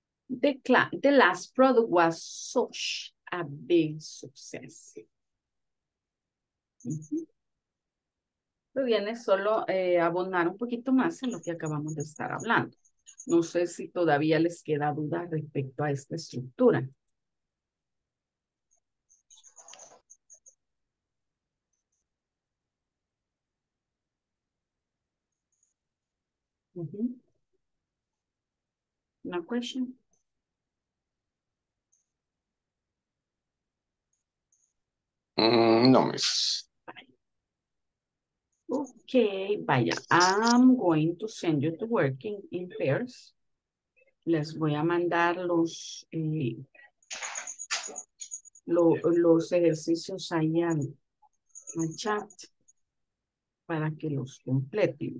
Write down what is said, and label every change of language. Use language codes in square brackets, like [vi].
[en] The last product was such a big success. [es] Pues viene solo abonar un poquito más en lo que acabamos de estar hablando. No sé si todavía les queda duda respecto a esta estructura. [en] No question. No, miss. Okay, vaya, I'm going to send you to work in pairs. [es] Les voy a mandar los ejercicios ahí al chat para que los completen.